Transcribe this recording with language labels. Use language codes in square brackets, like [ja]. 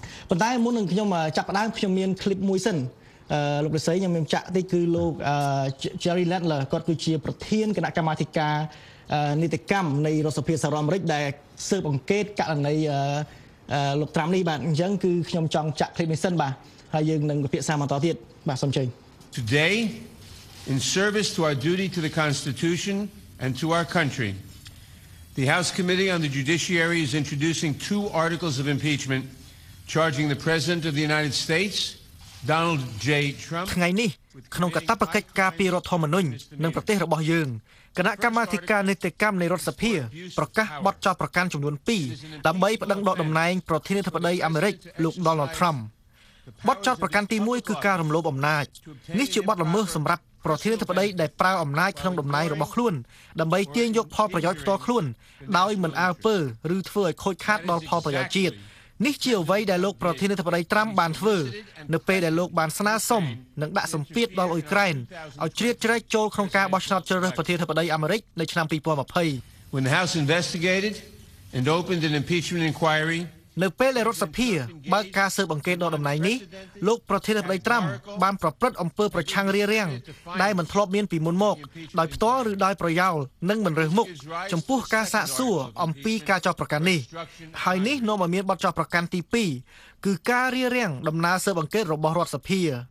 [km] ប៉ុន្តែមុននឹងខ្ញុំចាប់ផ្ដើមខ្ញុំមានឃ្លីបមួយសិនលោកប្រសិទ្ធខ្ញុំមានចាក់តិចគឺលោក Jerry Landler គាត់គឺជាប្រធានគណៈកម្មាធិការនីតិកម្មនៃរដ្ឋសភាសហរដ្ឋអាមេរិកដែលស៊ើបអង្កេតករណីលោកត្រាំនេះបាទអញ្ចឹងគឺខ្ញុំចង់ចាក់ឃ្លីបនេះសិនបាទហើយយើងនឹងពិភាក្សាបន្តទៀតបាទសូមជើញ [en] Today in service to our duty to the constitution and to our country the House Committee on the Judiciary is introducing two articles of impeachment charging the president of the United States Donald J Trump [km] ថ្ងៃនេះក្នុងកាតព្វកិច្ចការពាររដ្ឋធម្មនុញ្ញនឹងប្រទេសរបស់យើងគណៈកម្មាធិការនីតិកម្មនៃរដ្ឋសភាប្រកាសបទចោទប្រកាន់ចំនួន2ដើម្បីប្តឹងដកតំណែងប្រធានាធិបតីអាមេរិកលោក Donald Trump បទចោទប្រកាន់ទី1គឺការរំលោភអំណាចនេះជាបទល្មើសសម្រាប់ប្រធានាធិបតីដែលប្រើអំណាចក្នុងតំណែងរបស់ខ្លួនដើម្បីទាញយកផលប្រយោជន៍ផ្ទាល់ខ្លួនដោយមិនអើពើឬធ្វើឲ្យខូចខាតដល់ផលប្រយោជន៍ជាតិនេះជាអ្វីដែលលោកប្រធានាធិបតី Trump បានធ្វើនៅពេលដែលលោកបានស្នើសុំនិងដាក់សម្ពាធដល់អ៊ុយក្រែនឲ្យជ្រៀតជ្រែកចូលក្នុងការបោះឆ្នោតជ្រើសរើសប្រធានាធិបតីអាមេរិកនៅឆ្នាំ2020 [en] When the House investigated and opened an impeachment inquiry [km] នៅពេលដែលរដ្ឋសភាបើកការស៊ើបអង្កេតដល់តំណែងនេះលោកប្រធានាធិបតី Trump បានប្រព្រឹត្តអំពើប្រឆាំងរារាំងដែលមិនធ្លាប់មានពីមុនមកដោយផ្ទាល់ឬដោយប្រយោលនិងមិនរើសមុខចំពោះការសាកសួរអំពីការចោទប្រកាន់នេះហើយនេះនាំឲ្យមានបទចោទប្រកាន់ទី2គឺការរារាំងដំណើរស៊ើបអង្កេតរបស់រដ្ឋសភា